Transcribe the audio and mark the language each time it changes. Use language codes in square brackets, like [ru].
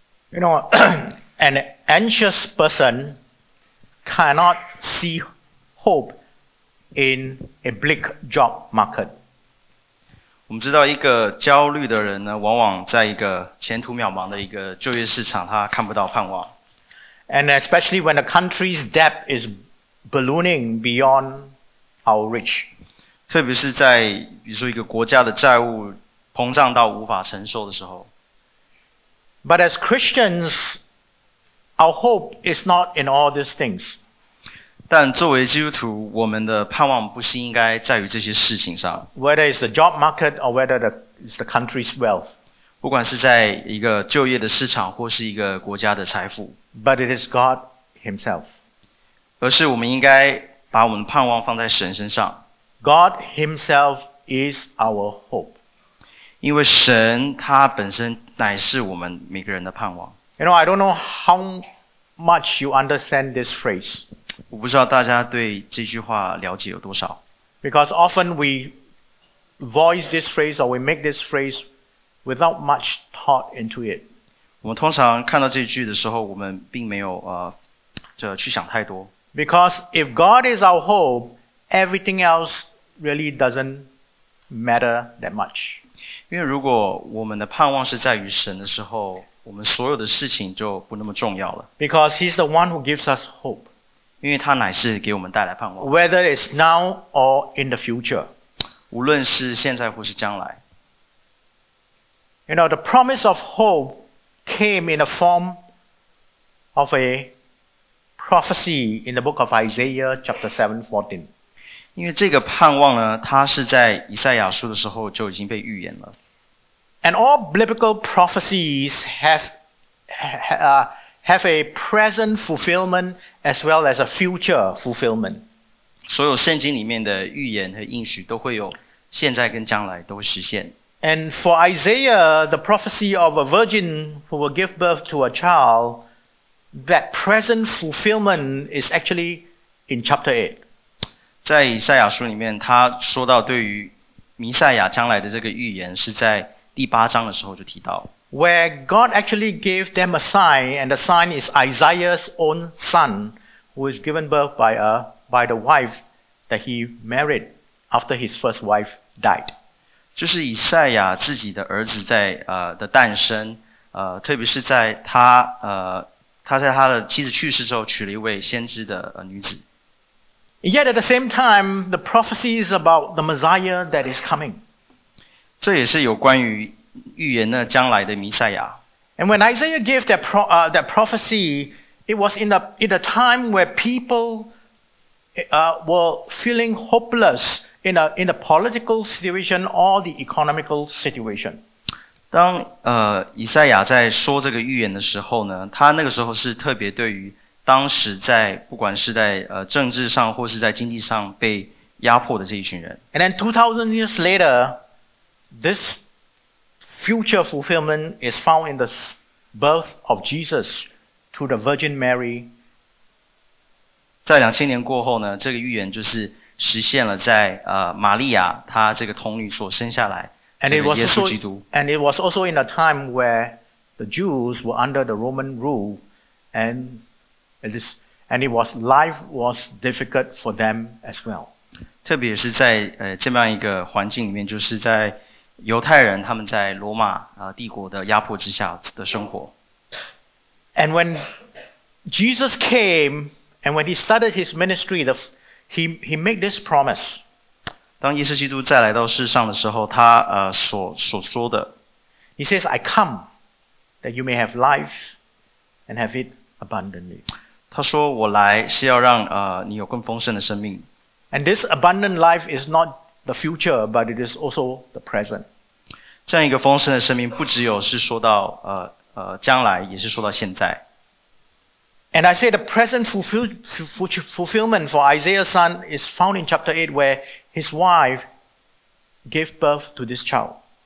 [en] You know, an anxious person. Cannot see hope in a bleak job market. [zh] 我们知道一个焦虑的人呢，往往在一个前途渺茫的一个就业市场，他看不到盼望。 [en] And especially when the country's debt is ballooning beyond our reach. [zh] 特别是在比如说一个国家的债务膨胀到无法承受的时候。 [en] But as Christians,Our hope is not in all these things. [zh] 但作为基督徒，我们的盼望不是应该在于这些事情上。 [en] Whether it's the job market or whether it's the country's wealth. [zh] 不管是在一个就业的市场或是一个国家的财富。 [en] But it is God himself. [zh] 而是我们应该把我们的盼望放在神身上。 [en] God himself is our hope. [zh] 因为神他本身乃是我们每个人的盼望。 [en] You know, I don't know how much you understand this phrase. [zh] 我不知道大家对这句话了解有多少。 [en] Because often we voice this phrase or we make this phrase without much thought into it. [zh] 我们通常看到这句的时候，我们并没有去想太多。 [en] Because if God is our hope, everything else really doesn't matter that much. [zh] 因为如果我们的盼望是在于神的时候，我们所有的事情就不那么重要了。 [en] Because he's the one who gives us hope. [zh] 因为他乃是给我们带来盼望。 [en] Whether it's now or in the future. [zh] 无论是现在或是将来。 [en] You know, the promise of hope came in the form of a prophecy in the book of Isaiah chapter 7:14. [zh] 因为这个盼望呢，它是在以赛亚书的时候就已经被预言了。 [en] And all biblical prophecies have a present fulfillment as well as a future fulfillment. [zh] 所有圣经里面的预言和应许都会有现在跟将来都实现。 [en] And for Isaiah, the prophecy of a virgin who will give birth to a child, that present fulfillment is actually in chapter 8. [zh] 在以赛亚书里面，他说到对于弥赛亚将来的这个预言是在第八章的时候就提到 [en] ，Where God actually gave them a sign, and the sign is Isaiah's own son, who is given birth by the wife that he married after his first wife died. [zh] 就是以赛亚自己的儿子在的诞生，特别是在他在他的妻子去世之后娶了一位先知的女子。 [en] Yet at the same time, the prophecy is about the Messiah that is coming. [zh] 这也是有关于预言的将来的弥赛亚。 [en] And when Isaiah gave that prophecy, it was in a time where people were feeling hopeless in a political situation or the economical situation. [zh] 当以赛亚在说这个预言的时候呢，他那个时候是特别对于当时在不管是在政治上或是在经济上被压迫的这一群人。 [en] And then 2,000 years later,This future fulfillment is found in the birth of Jesus to the Virgin Mary. [zh] 在2000年过后呢，这个预言就是实现了在玛利亚她这个童女所生下来这个耶稣基督。 [en] And it was also in a time where the Jews were under the Roman rule, and life was difficult for them as well. [zh] 特别是在这么样一个环境里面，就是在犹太人他们在罗马帝国的压迫之下的生活。 [en] And when Jesus came, and when he started his ministry, the, He made this promise. [zh] 当耶稣基督再来到世上的时候，他所说的。 [en] He says, "I come that you may have life and have it abundantly." [zh] 他说我来是要让你有更丰盛的生命。 [en] And this abundant life is not the future, but it is also the present. [zh] 这样一个丰盛的生命不只有是说到将来，也是说到现在。 [en] And I say the present fulfillment for Isaiah's son is found in chapter 8 where his wife gave birth to this child.